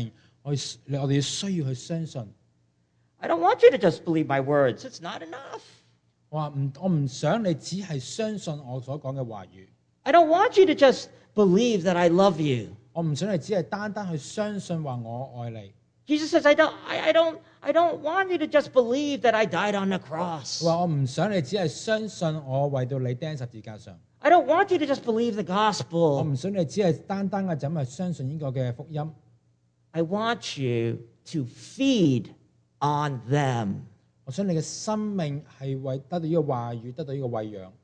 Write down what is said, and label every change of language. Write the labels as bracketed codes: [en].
[zh] 我的話語是一個靈,我的話語就是生命,我們需要去相信。 [en] I don't want you to just believe my words, it's not enough. [zh] 我不想你只是相信我所說的話語。 [en] I don't want you to just believe that I love you. [zh] 我不想你只是單單去相信我愛你。 [en] Jesus says, I don't want you to just believe that I died on the cross. [zh] 我不想你只是相信我為你釘十字架上。 [en] I don't want you to just believe the gospel. [zh] 我不想你只是單單地相信這個福音。 [en] I want you to feed on them. [zh] 我想你的生命是得到這個話語,得到這個餵養。